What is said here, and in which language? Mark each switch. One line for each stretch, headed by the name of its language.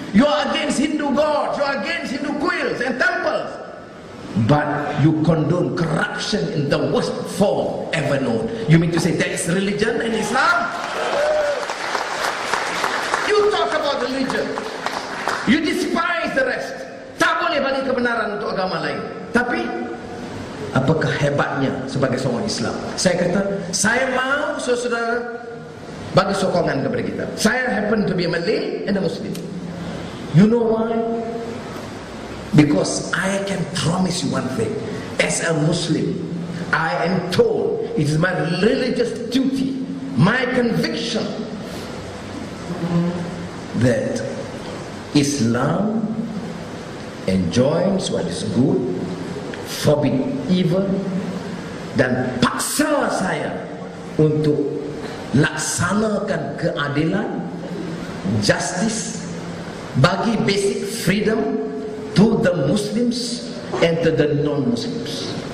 English: You are against Hindu gods, you are against Hindu quills and temples. But you condone corruption in the worst form ever known. You mean to say that is religion and Islam? You talk about religion. You despise the rest.
Malay: Tak boleh bagi kebenaran untuk agama lain. Tapi, apakah hebatnya sebagai seorang Islam? Saya kata, saya mahu saudara bagi sokongan kepada kita.
English: Saya happen to be a Malay and a Muslim. You know why? Because I can promise you one thing. As a Muslim, I am told it is my religious duty, my conviction, that Islam enjoins what is good, forbid evil,
Malay: dan paksa saya untuk laksanakan keadilan,
English: justice, bagi basic freedom to the Muslims and to the non-Muslims.